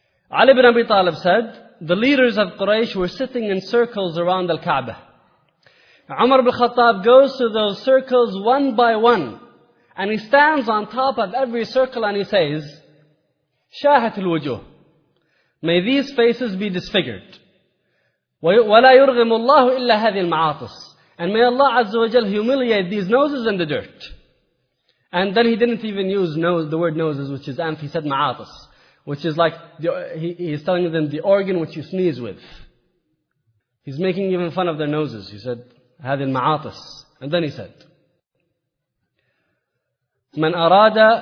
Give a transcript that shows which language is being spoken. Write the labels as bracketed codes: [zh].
[en] Ali ibn Abi Talib said, the leaders of Quraysh were sitting in circles around Al-Ka'bah. Umar bin Khattab goes to those circles one by one. And he stands on top of every circle and he says, [ar] شاهت الوجوه. [en] May these faces be disfigured. [ar] ولا يرغم الله إلا هذه المعاطس. [en] And may Allah Azza wa Jal humiliate these noses in the dirt. And then he didn't even use nose, the word noses, which is anf. He said ma'atis, which is like, he's telling them the organ which you sneeze with. He's making even fun of their noses. He said, [ar] هذه المعاطس. [en] And then he said, [ar] من أراد